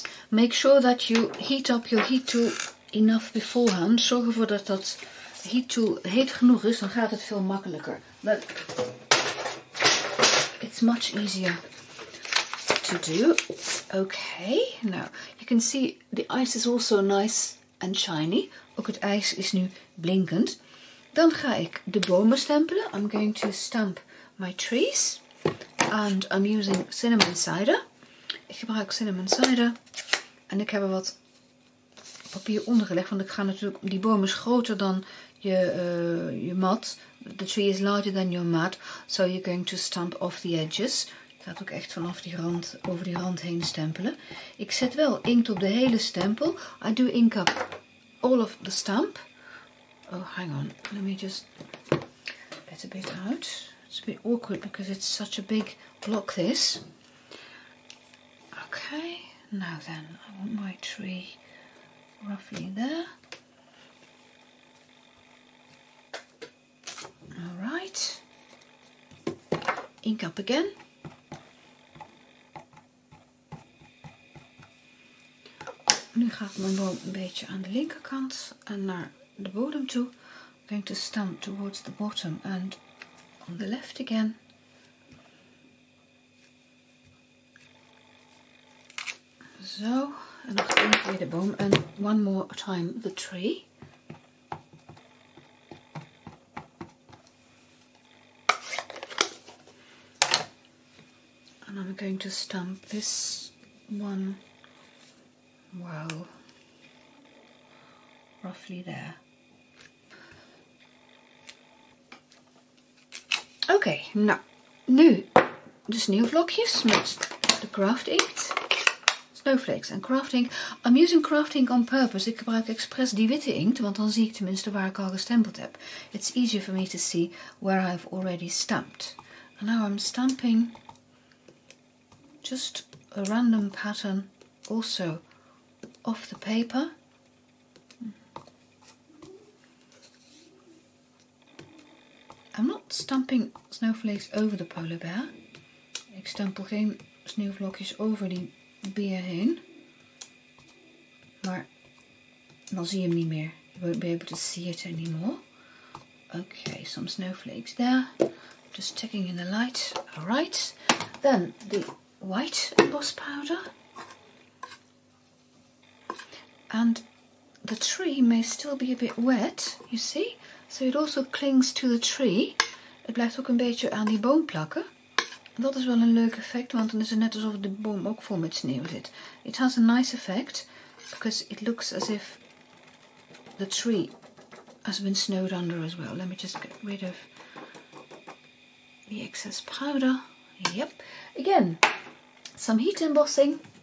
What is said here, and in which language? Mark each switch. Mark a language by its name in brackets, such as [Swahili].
[English] Make sure that you heat up your heat tool enough beforehand. [Dutch] Zorg ervoor dat dat heat tool heet genoeg is, dan gaat het veel makkelijker. [English] But it's much easier to do. Okay, now you can see the ice is also nice and shiny. [Dutch] Ook het ijs is nu blinkend. Dan ga ik de bomen stempelen. [English] I'm going to stamp my trees. And I'm using cinnamon cider. [Dutch] Ik gebruik cinnamon cider. En ik heb er wat papier ondergelegd. Want ik ga natuurlijk... Die boom is groter dan je mat. [English] The tree is larger than your mat. So you're going to stamp off the edges. [Dutch] Ik ga het ook echt vanaf die rand, over die rand heen stempelen. Ik zet wel inkt op de hele stempel. [English] I do ink up all of the stamp. Oh, hang on. Let me just get a bit out. It's a bit awkward because it's such a big block, this. Okay. Now then, I want my tree roughly there. All right. Ink up again. [Dutch] Nu gaat mijn boom een beetje aan de linkerkant en naar de bodem toe. [English] I'm going to stamp towards the bottom and on the left again. [Dutch] Zo, en nog één keer de boom. [English] En one more time the tree. And I'm going to stamp this one, well, roughly there. [Dutch] Oké, nou, nu de sneeuwvlokjes met de craft inkt. [English] Snowflakes en craft ink. I'm using craft ink on purpose. [Dutch] Ik gebruik expres die witte inkt, want dan zie ik tenminste waar ik al gestempeld heb. [English] It's easier for me to see where I've already stamped. And now I'm stamping just a random pattern also off the paper. I'm not stamping snowflakes over the polar bear. [Dutch] Ik stempel geen sneeuwvlokjes over die beer heen. Maar dan zie je hem niet meer. [English] You won't be able to see it anymore. Okay, some snowflakes there. Just checking in the light. Alright. Then the white emboss powder. And the tree may still be a bit wet, you see? So it also clings to the tree. [Dutch] Het blijft ook een beetje aan die boom plakken. Dat is wel een leuk effect, want dan is het net alsof de boom ook vol met sneeuw zit. [English] It has a nice effect, because it looks as if the tree has been snowed under as well. Let me just get rid of the excess powder. Yep. Again, some heat embossing.